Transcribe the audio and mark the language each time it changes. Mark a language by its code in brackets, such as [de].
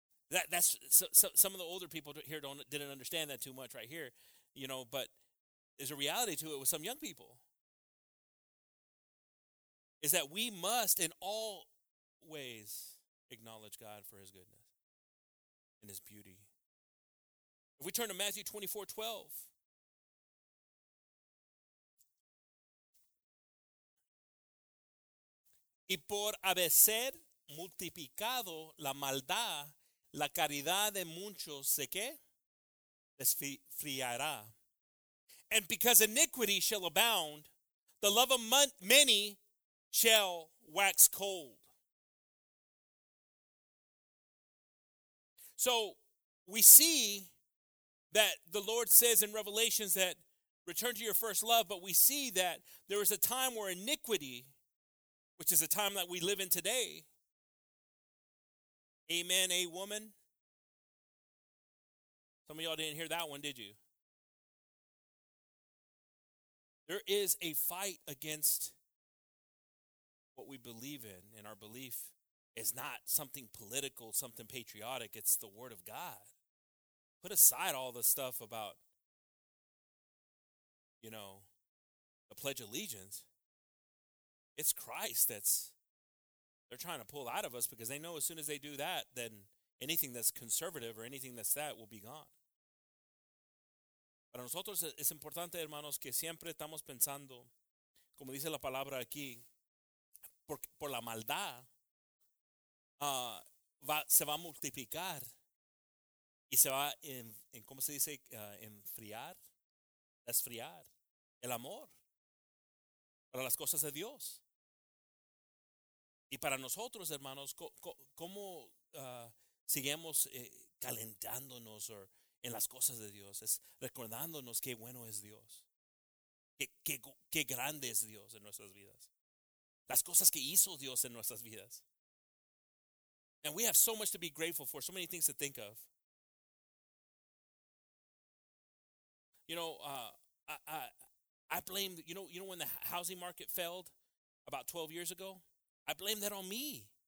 [en] That's some of the older people here didn't understand that too much right here, you know, but there's a reality to it with some young people, is that we must in all ways acknowledge God for his goodness and his beauty. If we turn to Matthew 24:12, [es] y por haber ser multiplicado la maldad, la caridad de muchos se qué desfriará. [en] And because iniquity shall abound, the love of many shall wax cold. So we see that the Lord says in Revelations that return to your first love, but we see that there is a time where iniquity, which is a time that we live in today, Amen, a woman. Some of y'all didn't hear that one, did you? There is a fight against what we believe in, and our belief is not something political, something patriotic. It's the Word of God. Put aside all the stuff about, you know, the Pledge of Allegiance. It's Christ that's, they're trying to pull out of us, because they know as soon as they do that, then anything that's conservative or anything that's that will be gone. [es] Para nosotros es importante, hermanos, que siempre estamos pensando, como dice la palabra aquí, por la maldad, se va a multiplicar y se va en ¿cómo se dice? Enfriar, desfriar el amor para las cosas de Dios. Y para nosotros, hermanos, ¿cómo seguimos calentándonos en las cosas de Dios? Es recordándonos qué bueno es Dios, qué grande es Dios en nuestras vidas, las cosas que hizo Dios en nuestras vidas. [en] And we have so much to be grateful for, so many things to think of. You know, I blame, you know when the housing market failed about 12 years ago? I blame that on me.